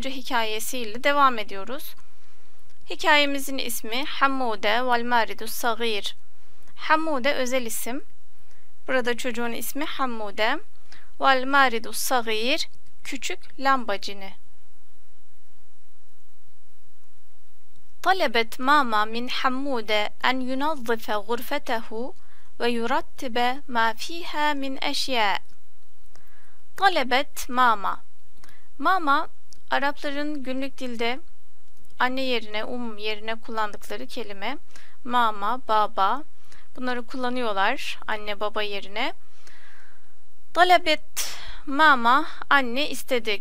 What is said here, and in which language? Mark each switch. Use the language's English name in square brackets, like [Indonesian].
[Turkish] hikayesiyle devam ediyoruz. Hikayemizin ismi Hammude vel Maridu Sagir. Hammude özel isim. Burada çocuğun ismi Hammude vel Maridu Sagir, küçük lambacini. [Arabic] طلبت ماما من حمودة أن ينظف غرفته ويرتب ما فيها من أشياء. طلبت ماما. [Turkish] ماما Arapların günlük dilde anne yerine, yerine kullandıkları kelime mama, baba. Bunları kullanıyorlar anne baba yerine. [Arabic] طلبت ماما [Turkish] anne istedi.